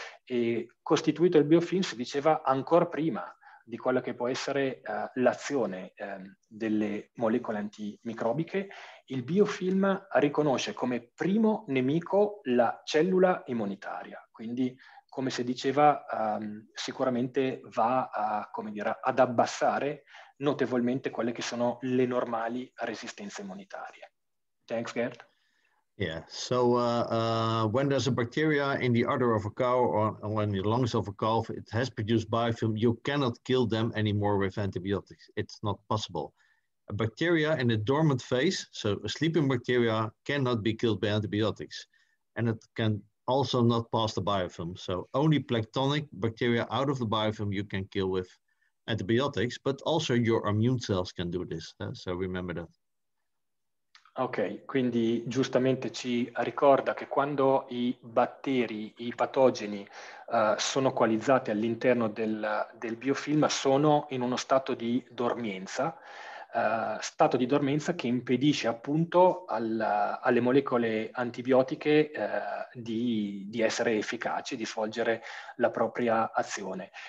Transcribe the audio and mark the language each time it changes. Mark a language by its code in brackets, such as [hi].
[it] E costituito il biofilm, si diceva, ancora prima di quella che può essere l'azione delle molecole antimicrobiche, il biofilm riconosce come primo nemico la cellula immunitaria. Quindi, come si diceva, sicuramente va a, come dire, ad abbassare notevolmente quelle che sono le normali resistenze immunitarie. [en] Thanks, Gert. Yeah, so when there's a bacteria in the udder of a cow or in the lungs of a cow, it has produced biofilm, you cannot kill them anymore with antibiotics. It's not possible. A bacteria in a dormant phase, so a sleeping bacteria, cannot be killed by antibiotics. And it can also not pass the biofilm. So only planktonic bacteria out of the biofilm you can kill with antibiotics, but also your immune cells can do this. So remember that. [it] Ok, quindi giustamente ci ricorda che quando i batteri, i patogeni sono coalizzati all'interno del biofilm, sono in uno stato di dormienza che impedisce appunto alle molecole antibiotiche di essere efficaci, di svolgere la propria azione.